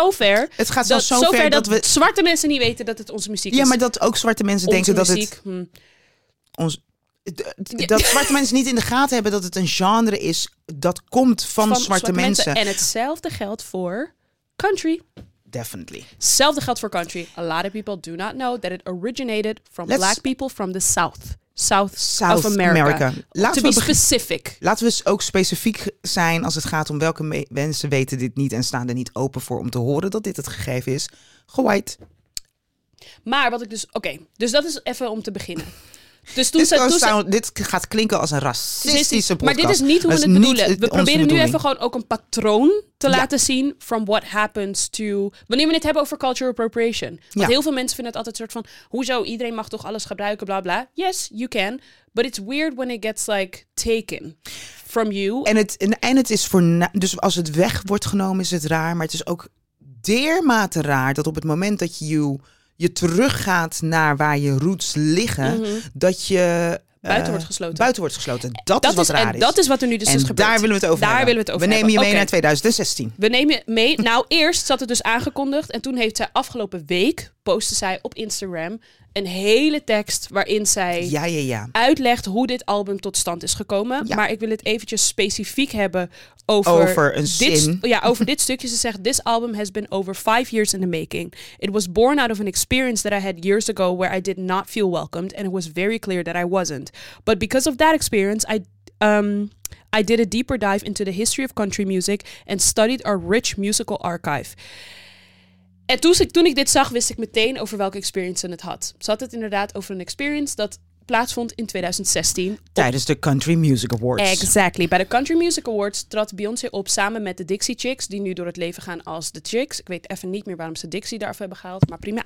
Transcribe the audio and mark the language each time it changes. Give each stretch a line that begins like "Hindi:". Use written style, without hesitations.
Dutch: Het gaat zelfs zo ver dat we zwarte mensen niet weten dat het onze muziek is. Ja, maar dat ook zwarte mensen onze denken muziek, dat het dat zwarte mensen niet in de gaten hebben dat het een genre is dat komt van zwarte mensen. En hetzelfde geldt voor country.
English: Definitely.
Dutch: Hetzelfde geldt voor country.
English: A lot of people do not know that it originated from black people from the South of America.
Dutch: Laten we ook specifiek zijn als het gaat om welke mensen weten dit niet en staan er niet open voor om te horen dat dit het gegeven is. Gewijd. Maar wat ik dus... Oké, dus dat is even om te beginnen. Dus dit gaat klinken als een racistische podcast. Maar dit is niet hoe we het bedoelen. We proberen nu even gewoon ook een patroon te laten zien
English: from what happens to...
Dutch: Wanneer we het hebben over cultural appropriation. Want heel veel mensen vinden het altijd een soort van... Hoezo, iedereen mag toch alles gebruiken, bla bla.
English: Yes, you can. But it's weird when it gets like taken from you.
Dutch: En het is voor... Dus als het weg wordt genomen is het raar. Maar het is ook dermate raar dat op het moment dat je teruggaat naar waar je roots liggen, mm-hmm. dat je... Buiten wordt gesloten. Dat is wat raar is. Dat is wat er nu dus en is gebeurd. Daar willen we het over hebben. We nemen je mee naar 2016. We nemen je mee. Nou, eerst zat het dus aangekondigd. En toen heeft zij afgelopen week, postte zij op Instagram, een hele tekst waarin zij uitlegt hoe dit album tot stand is gekomen. Ja. Maar ik wil het eventjes specifiek hebben over dit stukje. Ze zegt,
English: this album has been over 5 years in the making. It was born out of an experience that I had years ago where I did not feel welcomed. And it was very clear that I wasn't. But because of that experience, I I did a deeper dive into the history of country music and studied our rich musical archive.
Dutch: En toen ik dit zag, wist ik meteen over welke experience het had. Ze had het inderdaad over een experience dat plaatsvond in 2016. Tijdens de Country Music Awards.
English: Exactly.
Dutch: Bij de Country Music Awards trad Beyoncé op samen met de Dixie Chicks, die nu door het leven gaan als de Chicks. Ik weet even niet meer waarom ze Dixie daarvoor hebben gehaald, maar prima.